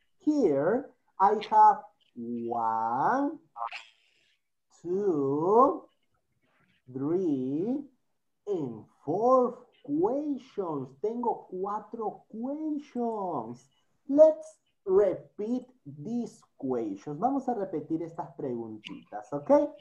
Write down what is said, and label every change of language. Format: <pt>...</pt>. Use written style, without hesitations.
<en>Here, I have one, two, three, and four questions.</en> <es>Tengo cuatro questions.</es> <en>Let's repeat these questions.</en> <es>Vamos a repetir estas preguntitas, ¿ok?</es>